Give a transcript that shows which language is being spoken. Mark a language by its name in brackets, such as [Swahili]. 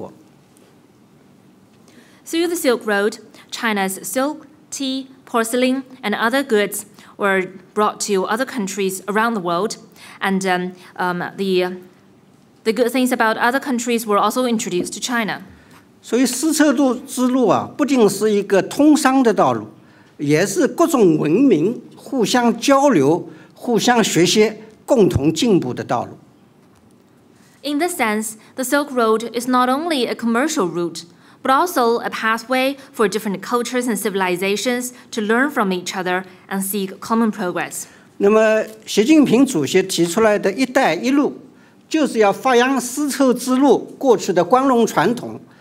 [Chinese] 当时就是把中国的丝绸、茶叶、瓷器带到了世界各个地方，同时呢，也把各个国家有很多好的东西介绍进了中国。 [English] Through the Silk Road, China's silk, tea, porcelain, and other goods were brought to other countries around the world, and the good things about other countries were also introduced to China. [Chinese] 所以丝绸之路啊，不仅是一个通商的道路。也是各种文明互相交流、互相学习、共同进步的道路。 [English] In this sense, the Silk Road is not only a commercial route, but also a pathway for different cultures and civilizations to learn from each other and seek common progress. [Chinese] 那么，习近平主席提出来的一带一路，就是要发扬丝绸之路过去的光荣传统。